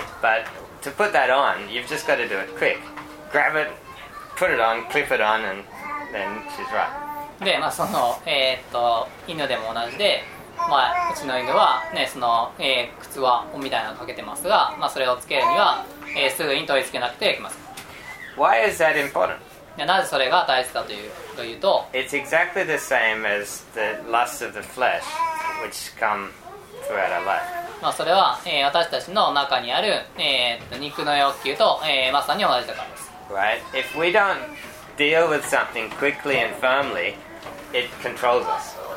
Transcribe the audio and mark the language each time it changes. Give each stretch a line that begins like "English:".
English: But to put that on, you've just got to do it quick. Grab it, put it on, clip it on, and then she's right.
Japanese: で、まあその、犬でも同じで、まあうちの犬はね、その、靴はおみたいなのかけてますが、まあそれをつけるには、すぐに取り付けなくてはいけません。
English: Why is that important?
Japanese: なぜそれが大切かというと、
English: It's exactly the same as the lust of the flesh, which come throughout our life.
Japanese: まあそれは、私たちの中にある、肉の欲求と、まさに同じだからです。
English: If we don't deal with something quickly and firmly, it controls us.